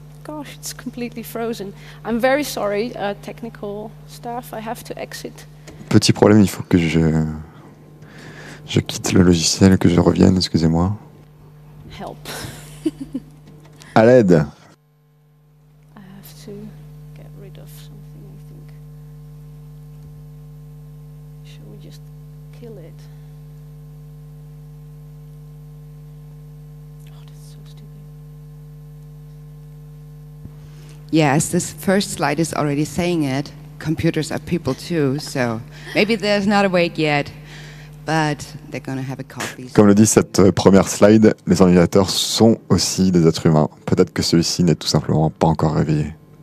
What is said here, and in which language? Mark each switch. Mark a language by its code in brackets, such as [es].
[en] Gosh, it's completely frozen. I'm very sorry, technical staff. I have to exit. [fr] Petit problème, il faut que je quitte le logiciel, que je revienne, excusez-moi. [en] Help. [fr] À l'aide. [en] I have to get rid of something, I think. Should we just kill it? Yes, this first slide is already saying it. Computers are people too, so maybe they're not awake yet, but they're going to have a coffee. [fr] Comme le dit cette première slide, les ordinateurs sont aussi des êtres humains. Peut-être que celui-ci n'est tout simplement pas encore réveillé.